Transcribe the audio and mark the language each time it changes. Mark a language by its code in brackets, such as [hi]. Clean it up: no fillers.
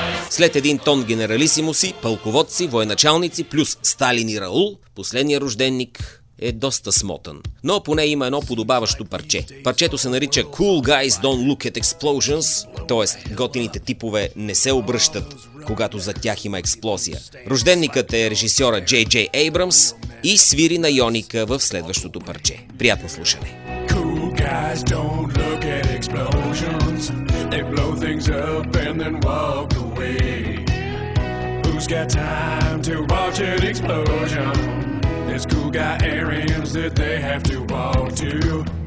[bg] След един тон генералисимуси, пълководци, военачалници плюс Сталин и Раул, последния рожденник е доста смотан. Но поне има едно подобаващо парче. Парчето се нарича Cool Guys Don't Look at Explosions, т.е. готините типове не се обръщат, когато за тях има експлозия. Рожденникът е режисьора Джей Джей Ейбрамс и свири на Йоника в следващото парче. Приятно слушане! [en] Cool guys don't look at explosions. They blow things up and then walk away. Who's got time to watch an explosion? There's cool guy errands that they have to walk to.